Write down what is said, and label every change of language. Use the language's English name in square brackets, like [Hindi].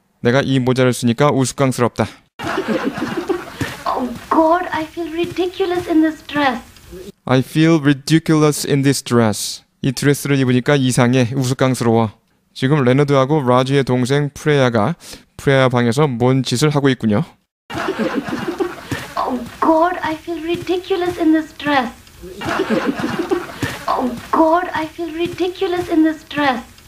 [Korean] 내가 이 모자를 쓰니까 우스꽝스럽다. [English] Oh God, I feel ridiculous in this dress. I feel ridiculous in this dress. [Korean] 이 드레스를 입으니까 이상해, 우스꽝스러워. 지금 레너드하고 라지의 동생 프레야가 프레야 방에서 뭔 짓을 하고 있군요. [English] Oh God, I feel ridiculous in this dress. Oh God, I feel ridiculous in this dress.